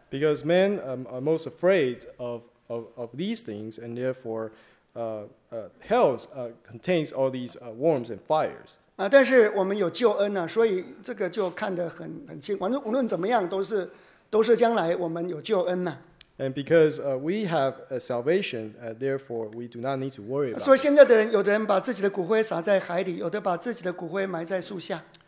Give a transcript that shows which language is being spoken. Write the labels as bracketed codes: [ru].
[en] Because men are most afraid of these things, and therefore, hell contains all these worms and fires. [zh] 但是我们有救恩啊，所以这个就看得很清。反正无论怎么样，都是将来我们有救恩呐。 [en] And because we have a salvation, therefore we do not need to worry about. [zh] 所以现在的人，有的人把自己的骨灰撒在海里，有的把自己的骨灰埋在树下。